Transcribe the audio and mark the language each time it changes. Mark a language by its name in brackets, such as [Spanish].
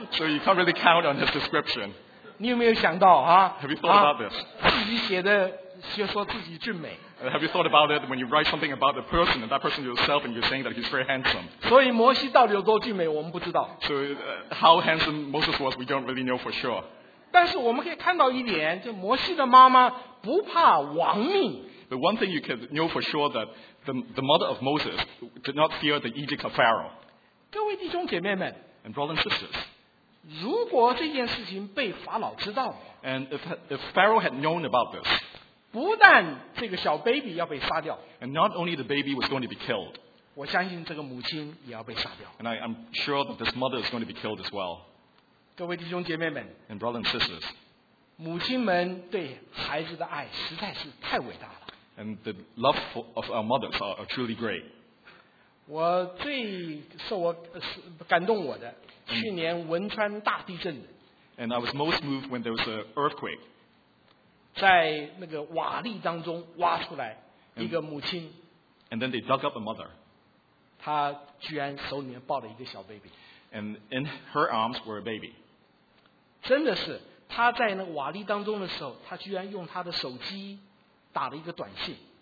[English] So you can't really count on his description. [Chinese] 你有没有想到啊？ [English] Have you thought about this? [Chinese] 自己写的就说自己俊美。 [English] Have you thought about it when you write something about the person and that person yourself and you're saying that he's very handsome? [Chinese] 所以摩西到底有多俊美我们不知道。 [English] So how handsome Moses was, we don't really know for sure. [Chinese] 但是我们可以看到一点，就摩西的妈妈不怕亡命。 [English] But one thing you can know for sure that the mother of Moses did not fear the edict of Pharaoh. [Chinese] 各位弟兄姐妹们。 [English] And brothers and sisters. [Chinese] 如果这件事情被法老知道。 [English] And if Pharaoh had known about this, [Chinese] 不但这个小 baby 要被杀掉， [English] and not only the baby was going to be killed, [Chinese] 我相信这个母亲也要被杀掉， [English] and I'm sure that this mother is going to be killed as well. [Chinese] 各位弟兄姐妹们， [English] and brothers and sisters, [Chinese] 母亲们对孩子的爱实在是太伟大了， [English] and the love of our mothers are truly great. [Chinese] 我最受我感动我的，去年汶川大地震， [English] and I was most moved when there was an earthquake. [Chinese] 在那个瓦砾当中挖出来一个母亲， [English] and then they dug up a mother. [Chinese] 她居然手里面抱了一个小 baby. [English] And in her arms were a baby. [Chinese] 真的是她在那个瓦砾当中的时候，她居然用她的手机打了一个短信。